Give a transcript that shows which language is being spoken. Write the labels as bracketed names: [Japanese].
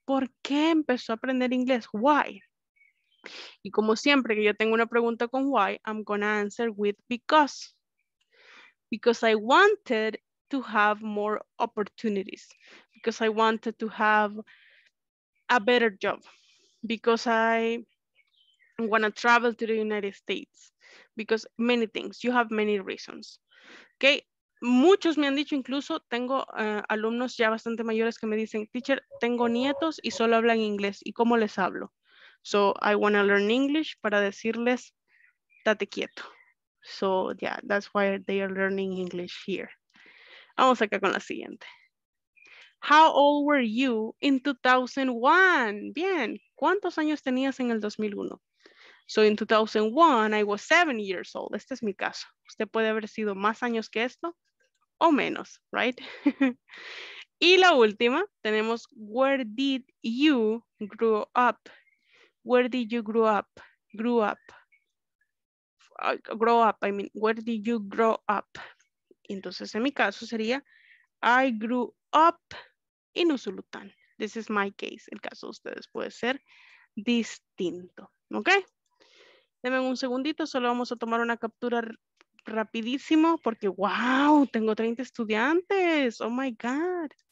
[Spanish] ¿Por qué empezó a aprender inglés? Why? Y como siempre que yo tengo una pregunta con why, [English] I'm going to answer with because. Because I wanted to have more opportunities. Because I wanted to have a better job. Because I want to travel to the United States. Because many things. You have many reasons. Okay. [Spanish] Muchos me han dicho, incluso tengo alumnos ya bastante mayores que me dicen, teacher, tengo nietos y solo hablan inglés. ¿Y cómo les hablo? [English] So I want to learn English [Spanish] para decirles, date quieto. [English] So yeah, that's why they are learning English here. [Spanish] Vamos acá con la siguiente. [English] How old were you in 2001? [Spanish] Bien, ¿cuántos años tenías en el 2001? [English] So in 2001, I was 7 years old. [Spanish] Este es mi caso. Usted puede haber sido más años que esto o menos, right? Y la última, tenemos, [English] where did you grow up? Where did you grow up? Grew up. Grow up, I mean, where did you grow up? [Spanish] Entonces, en mi caso sería, [English] I grew up in Usulután. This is my case. [Spanish] El caso de ustedes puede ser distinto, ¿ok? Denme un segundito, solo vamos a tomar una captura rapidísimo porque, wow, tengo 30 estudiantes. [English] Oh, my God.